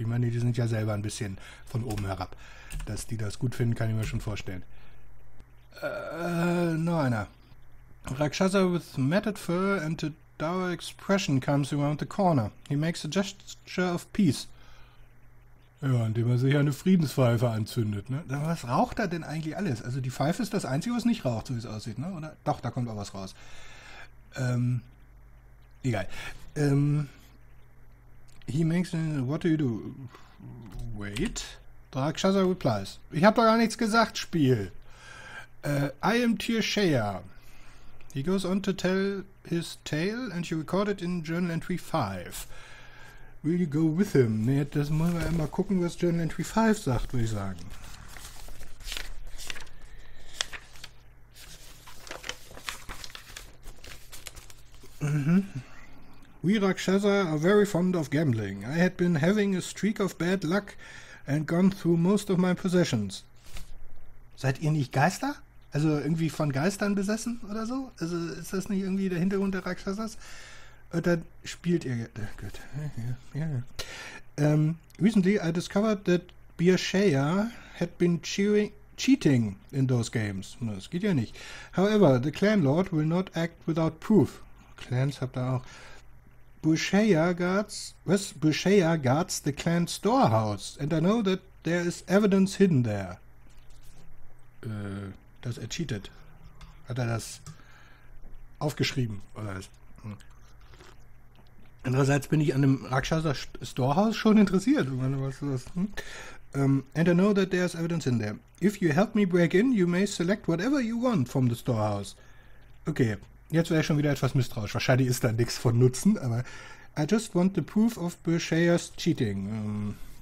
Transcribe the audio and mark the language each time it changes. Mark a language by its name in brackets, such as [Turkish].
[German] Ich meine, die sind ja selber ein bisschen von oben herab. Dass die das gut finden, kann ich mir schon vorstellen. Noch einer. [English] Rakshasa with matted fur and a dour expression comes around the corner. He makes a gesture of peace. [German] Ja, indem er sich eine Friedenspfeife anzündet, ne? Was raucht er denn eigentlich alles? Also die Pfeife ist das Einzige, was nicht raucht, so wie es aussieht, ne? Oder? Doch, da kommt auch was raus. Egal. [English] He makes a... What do you do? Wait. Drakshasa replies. [German] Ich hab doch gar nichts gesagt, Spiel. [English] I am Tyr Shea. He goes on to tell his tale and you record it in Journal Entry 5. Will you go with him? [German] Nee, das müssen wir mal gucken, was Journal Entry 5 sagt, würde ich sagen. [English] We Rakshasa are very fond of gambling. I had been having a streak of bad luck and gone through most of my possessions. [German] Seid ihr nicht Geister? Also irgendwie von Geistern besessen oder so? Also ist das nicht irgendwie der Hintergrund der Rakshasas? Und dann spielt ihr... gut. Ja. [English] Recently I discovered that Birshaya had been cheating in those games. [German] Das geht ja nicht. [English] However, the clan lord will not act without proof. [German] Clans habt ihr auch... [English] Bushaya guards the clan storehouse and I know that there is evidence hidden there. [German] Dass er cheatet. Hat er das aufgeschrieben? Oder was? Andererseits bin ich an dem Rakshasa Storehouse schon interessiert. Ich meine, was ist das? [English] And I know that there is evidence in there. If you help me break in, you may select whatever you want from the storehouse. Okay. [German] Jetzt wäre ich schon wieder etwas misstrauisch. Wahrscheinlich ist da nichts von Nutzen, aber... [English] I just want the proof of Bershayas cheating.